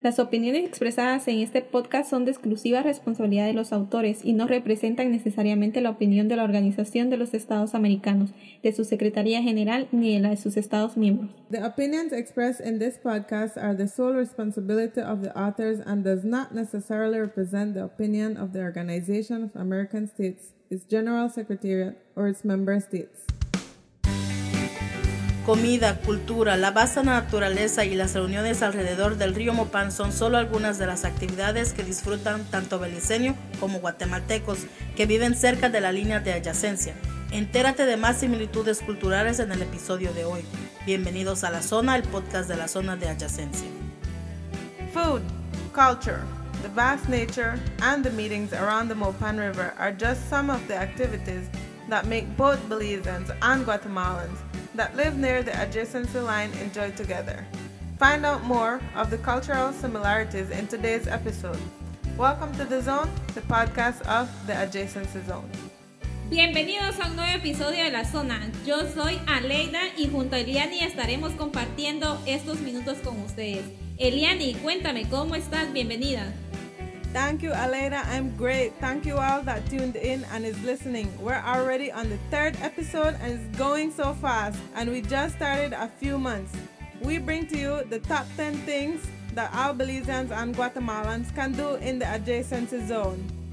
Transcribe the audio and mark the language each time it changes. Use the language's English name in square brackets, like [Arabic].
[Spanish] Las opiniones expresadas en este podcast son de exclusiva responsabilidad de los autores y no representan necesariamente la opinión de la Organización de los Estados Americanos, de su Secretaría General ni de la de sus Estados miembros. [English] The opinions expressed in this podcast are the sole responsibility of the authors and does not necessarily represent the opinion of the Organization of American States, its General Secretariat, or its member states. [Spanish] Comida, cultura, la vasta naturaleza y las reuniones alrededor del río Mopán son solo algunas de las actividades que disfrutan tanto beliceños como guatemaltecos que viven cerca de la línea de adyacencia. Entérate de más similitudes culturales en el episodio de hoy. Bienvenidos a La Zona, el podcast de la zona de adyacencia. [English] Food, culture, the vast nature, and the meetings around the Mopán River are just some of the activities that make both Belizeans and Guatemalans that live near the adjacency line enjoy together. Find out more of the cultural similarities in today's episode. Welcome to The Zone, the podcast of the Adjacency Zone. [Spanish] Bienvenidos a un nuevo episodio de La Zona. Yo soy Aleida y junto a Eliani estaremos compartiendo estos minutos con ustedes. Eliani, cuéntame, ¿cómo estás? Bienvenida. [English] Thank you, Aleida. I'm great. Thank you all that tuned in and is listening. We're already on the third episode and it's going so fast. And we just started a few months. We bring to you the top 10 things that our Belizeans and Guatemalans can do in the adjacency zone.